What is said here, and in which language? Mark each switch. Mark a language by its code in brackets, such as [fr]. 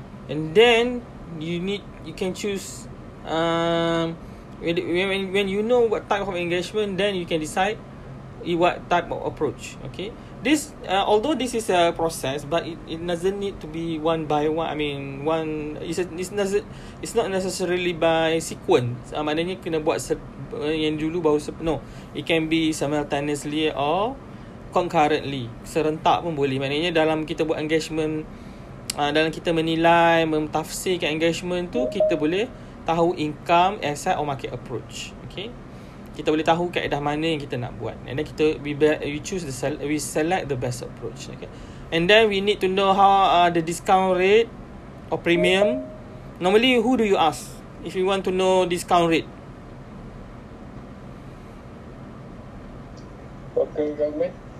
[en] And then you can choose when you know what type of engagement, then you can decide what type of approach, okay? This although this is a process, but it doesn't need to be one by one. I mean, it's not necessarily by sequence. [ms] Maknanya kena buat yang dulu baru no. [en] It can be simultaneously or concurrently. [ms] Serentak pun boleh. Maknanya dalam kita buat engagement, dalam kita menilai, memtafsirkan engagement tu, kita boleh tahu income, [en] asset or market approach. [ms] Okay. Kita boleh tahu kaedah mana yang kita nak buat. [en] And then we select the best approach. Okay. And then we need to know how the discount rate or premium. Normally, who do you ask if you want to know discount rate? Local government.